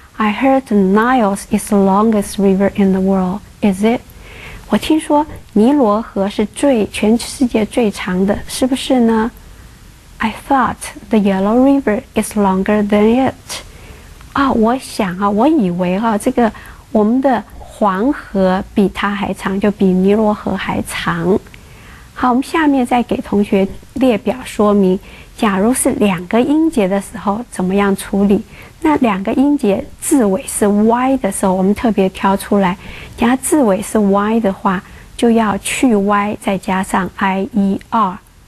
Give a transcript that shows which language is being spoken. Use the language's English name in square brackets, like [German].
[English] I heard the Nile is the longest river in the world. Is it? [Chinese] 我听说尼罗河是全世界最长的，是不是呢？ [English] I thought the Yellow River is longer than it. [Chinese] 啊，我想啊，我以为啊，这个我们的黄河比它还长，就比尼罗河还长。好，我们下面再给同学列表说明，假如是两个音节的时候怎么样处理。那两个音节字尾是 y 的时候，我们特别挑出来，假如字尾是 y 的话，就要去 y 再加上 ier，